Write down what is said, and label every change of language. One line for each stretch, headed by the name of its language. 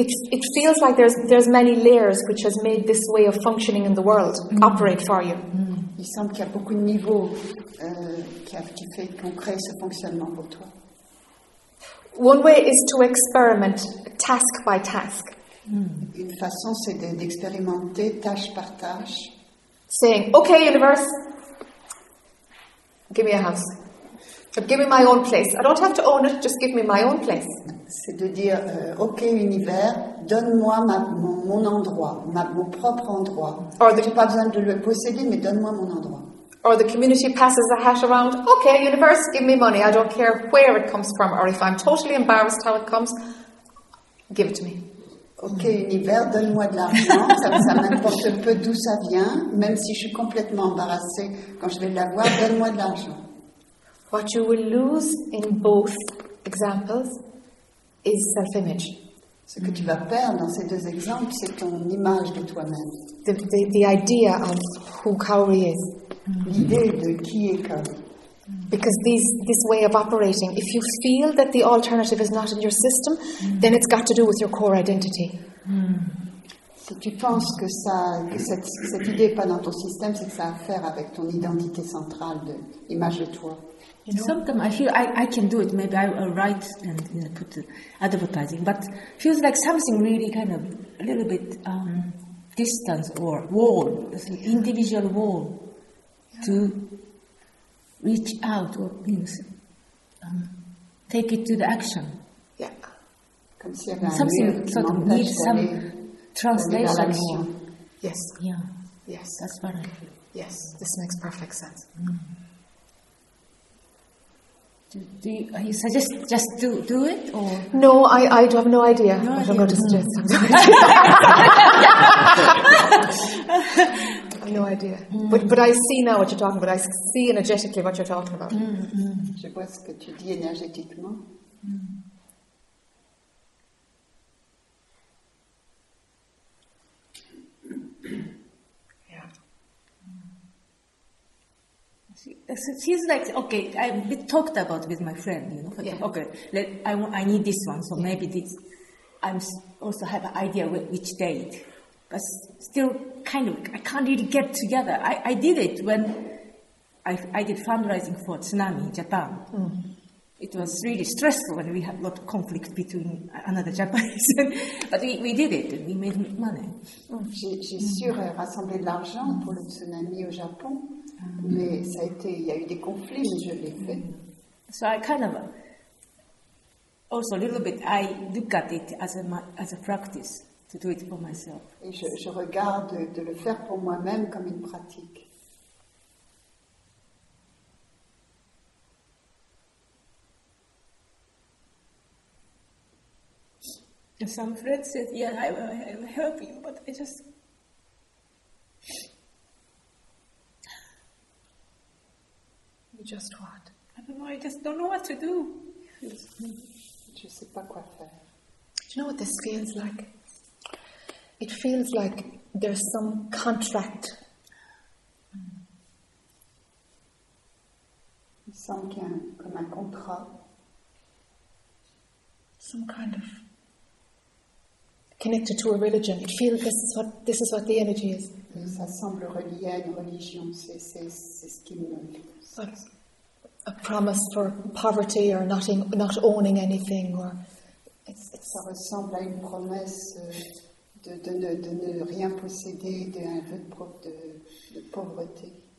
English: it feels like there's many layers which has made this way of functioning in the world operate for you.
French: Il semble qu'il y a beaucoup de niveaux qui fait qu'on crée ce fonctionnement pour toi.
English: One way is to experiment task by task.
French: Une façon, c'est d'expérimenter tâche par tâche.
English: Saying, okay, universe, give me a house. Give me my own place. I don't have to own it, just give me my own place.
French: C'est de dire, okay, univers, donne-moi mon endroit, mon propre endroit.
English: Or the,
French: j'ai pas besoin de le posséder, mais donne-moi mon endroit.
English: Or the community passes the hat around, okay, universe, give me money. I don't care where it comes from, or if I'm totally embarrassed how it comes, give it to me.
French: Ok, univers, donne-moi de l'argent, ça m'importe peu d'où ça vient, même si je suis complètement embarrassée quand je vais l'avoir, donne-moi de l'argent.
English: What you will lose in both examples is self-image.
French: Ce que tu vas perdre dans ces deux exemples, c'est ton image de toi-même.
English: The idea of who Kauri is.
French: L'idée de qui est Kauri.
English: Because this way of operating, if you feel that the alternative is not in your system, then it's got to do with your core identity.
French: Si tu penses que ça, que cette idée n'est pas dans ton système, c'est que ça a à faire avec ton identité centrale, de l'image de toi.
English: You know? Sometimes I feel I can do it. Maybe I write and put advertising, but feels like something really kind of a little bit distance or wall, individual wall to reach out or means take it to the action. Yeah.
French: Comme si elle
English: something
French: lui,
English: sort of needs some translation. Yes. Yeah. Yes. That's what I feel. Yes. This makes perfect sense. Mm. Do you suggest just do it or? No, I have no idea. No what idea. I'm going to suggest. No idea. Mm. But I see now what you're talking about. I see energetically what you're talking about.
French: Je vois ce que tu dis énergétiquement.
English: It seems like, okay, I talked about it with my friend, you know. Yeah. Okay, I need this one, so yeah. Maybe this. I also have an idea which date. But still, kind of, I can't really get together. I did it when I did fundraising for tsunami in Japan. Mm. It was really stressful when we had a lot of conflict between another Japanese. But we did it, and we made money. Mm.
French: J'ai sûr rassemblé de l'argent pour le tsunami au Japon. Mais ça a été, il y a eu des conflits, mais je l'ai fait.
English: So I kind of also a little bit I look at it as a practice to do it for myself.
French: Et je regarde de le faire pour moi-même comme une pratique.
English: Some friend said, yeah, I'm helping, but I just. Just what? I don't know, I just don't know what to do.
French: Je sais pas quoi faire.
English: Do you know what this feels like? It feels like there's some contract.
French: Il semble qu'il y a un, comme un contrat.
English: Some kind of connected to a religion. It feels this is what the energy is.
French: Ça semble relié à une religion, c'est ce qui me fait.
English: A promise for poverty or not owning anything, or
French: ça ressemble à une promesse de ne rien posséder, de un vœu de pauvreté.